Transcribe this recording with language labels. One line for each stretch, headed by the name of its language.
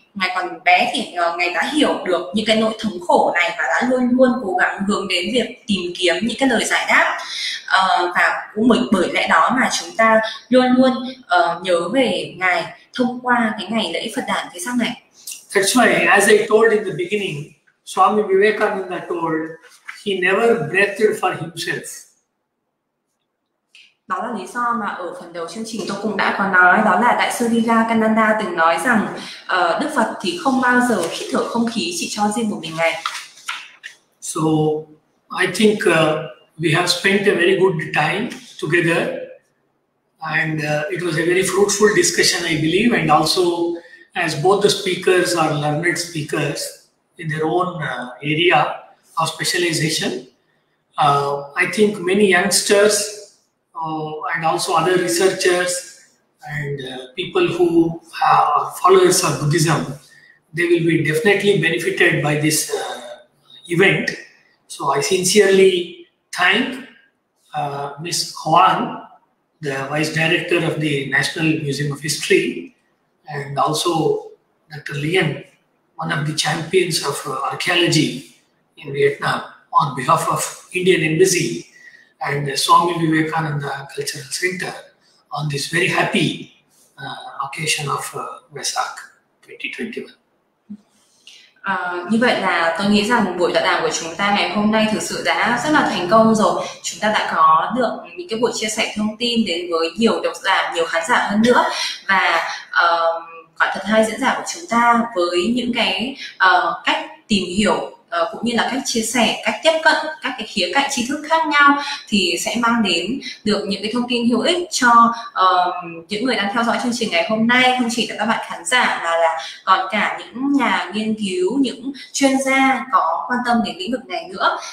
Vietnamese: ngày còn bé thì ngài đã hiểu được những cái nỗi thống khổ này và đã luôn luôn cố gắng hướng đến việc tìm kiếm những cái lời giải đáp. Và cũng bởi lẽ đó mà chúng ta luôn luôn nhớ về ngài thông qua cái ngày lễ Phật đản thế sao này.
English: That's why, as I told in the beginning, Swami Vivekananda told he never breathed for himself.
Vietnamese: Đó là lý do mà ở phần đầu chương trình tôi cũng đã có nói, đó là Đại sư Vivekananda từng nói rằng Đức Phật thì không bao giờ hít thở không khí chỉ cho riêng một mình ngài.
English: So I think we have spent a very good time together, and it was a very fruitful discussion, I believe, and also as both the speakers are learned speakers in their own area of specialization, I think many youngsters and also other researchers and people who are followers of Buddhism, they will be definitely benefited by this event. So I sincerely thank Ms. Huang, the Vice Director of the National Museum of History, and also Dr. Lien, one of the champions of archaeology in Vietnam, on behalf of Indian Embassy and the Swami Vivekananda Cultural Center, on this very happy occasion of Vesak 2021.
Vietnamese: Như vậy là tôi nghĩ rằng buổi tọa đàm của chúng ta ngày hôm nay thực sự đã rất là thành công rồi. Chúng ta đã có được những cái buổi chia sẻ thông tin đến với nhiều độc giả, nhiều khán giả hơn nữa. Và quả thật hai diễn giả của chúng ta với những cái cách tìm hiểu cũng như là cách chia sẻ, cách tiếp cận các cái khía cạnh tri thức khác nhau thì sẽ mang đến được những cái thông tin hữu ích cho những người đang theo dõi chương trình ngày hôm nay, không chỉ là các bạn khán giả mà là còn cả những nhà nghiên cứu, những chuyên gia có quan tâm đến lĩnh vực này nữa.